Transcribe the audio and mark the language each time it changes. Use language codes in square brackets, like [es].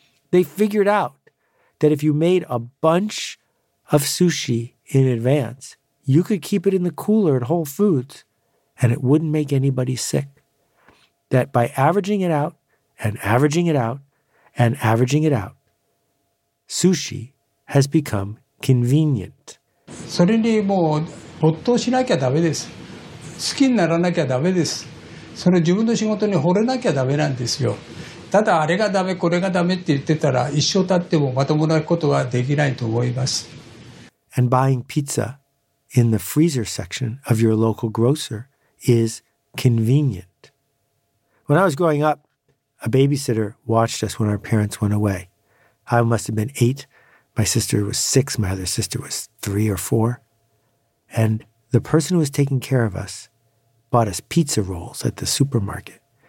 [en] They figured out that if you made a bunch of sushi in advance, you could keep it in the cooler at Whole Foods and it wouldn't make anybody sick. That by averaging it out and averaging it out and averaging it out, sushi has become convenient. [ja] それにもう没頭しなきゃダメです。好きにならなきゃダメです。その自分の仕事に惚れなきゃダメなんですよ。ただあれがダメ、これがダメって言ってたら一生経ってもまともなことはできないと思います。 [en] And buying pizza in the freezer section of your local grocer is convenient. When I was growing up, a babysitter watched us when our parents went away. I must have been 8. My sister was 6, my other sister was 3 or 4. And the person who was taking care of us bought us pizza rolls at the supermarket.